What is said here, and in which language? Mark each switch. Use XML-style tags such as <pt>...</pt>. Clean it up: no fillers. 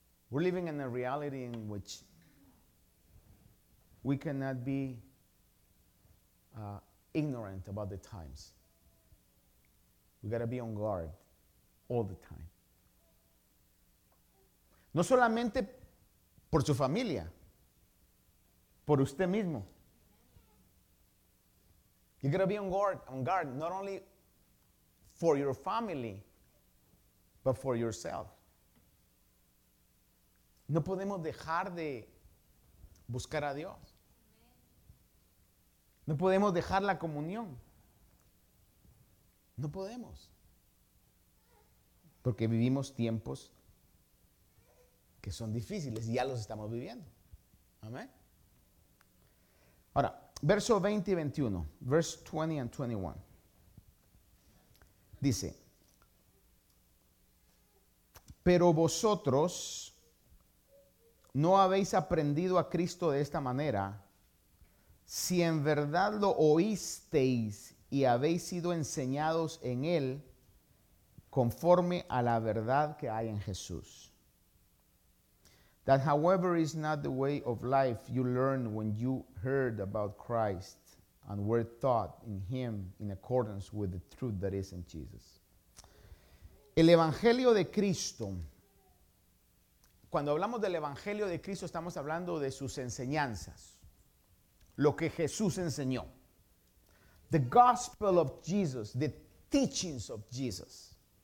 <en>We're living in a reality in which we cannot be ignorant about the times. We got to be on guard all the time.</en> <es>No solamente por su familia, por usted mismo.</es> <en>You gotta be on guard, not only for your family, but for yourself.</en> <es>No podemos dejar de buscar a Dios. No podemos dejar la comunión. No podemos. Porque vivimos tiempos que son difíciles y ya los estamos viviendo. Amén. Ahora, verso 20 y 21.</es> <en>Verse 20 and 21.</en> <es>Dice: pero vosotros no habéis aprendido a Cristo de esta manera, si en verdad lo oísteis y habéis sido enseñados en él conforme a la verdad que hay en Jesús.</es> <en>That however is not the way of life you learned when you heard about Christ and were taught in him in accordance with the truth that is in Jesus.</en> <es>El Evangelio de Cristo. Cuando hablamos del Evangelio de Cristo, estamos hablando de sus enseñanzas. Lo que Jesús enseñó.</es> <en>The gospel of Jesus, the teachings of Jesus.</en>